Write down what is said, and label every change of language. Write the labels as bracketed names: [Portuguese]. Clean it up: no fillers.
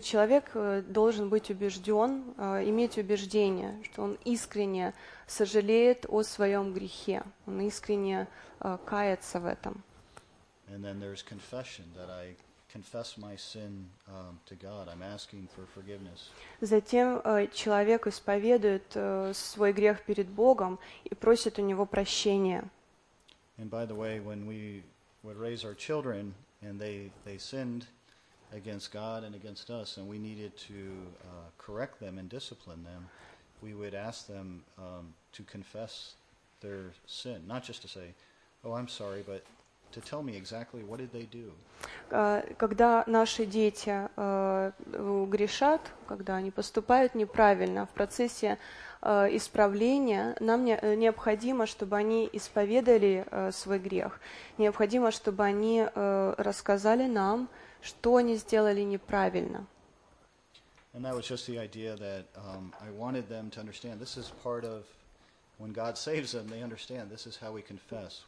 [Russian] Человек должен быть убежден, иметь убеждение, что он искренне сожалеет о своем грехе. Он искренне кается в этом. [English] And then there's confession, that I confess my sin to God. I'm asking for forgiveness. [Russian] Затем человек исповедует свой грех перед Богом и просит у него прощения. [English] And by the way, when we would raise our children, and they sinned against God and against us, and we needed to correct them and discipline them, we would ask them to confess their sin, not just to say, oh, I'm sorry, but to tell me exactly what did they do. [Russian] Когда наши дети грешат, когда они поступают неправильно, в процессе исправления нам необходимо, чтобы они исповедали свой грех. Необходимо, чтобы они рассказали нам, что они сделали неправильно. [English] And that was just the idea that I wanted them to understand. This is part of when God saves them, they understand this is how we confess.